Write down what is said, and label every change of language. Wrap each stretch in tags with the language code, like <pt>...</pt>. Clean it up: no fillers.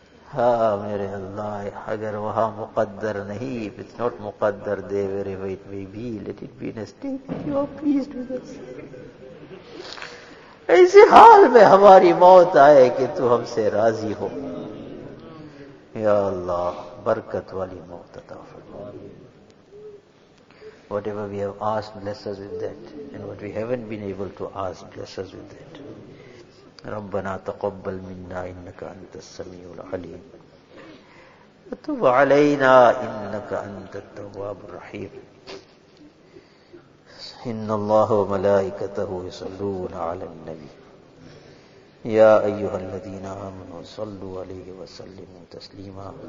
<ur>Ha, mere Allah, agar waha muqaddar nahi,</ur> <en>if it's not muqaddar there, wherever it may be, let it be in a state that you are pleased with us.</en> <ur>ایسے حال میں ہماری موت آئے کہ تو ہم سے راضی ہو. یا اللہ, برکت والی موت عطا فرمائے.</ur> <en>Whatever we have asked, bless us with that. And what we haven't been able to ask, bless us with that.</en> <ar>ربنا تقبل منا انك انت السميع العليم وتب علينا انك انت التواب الرحيم. إن الله وملائكته يصلون على النبي يا أيها الذين آمنوا صلوا عليه وسلموا تسليما.</ar>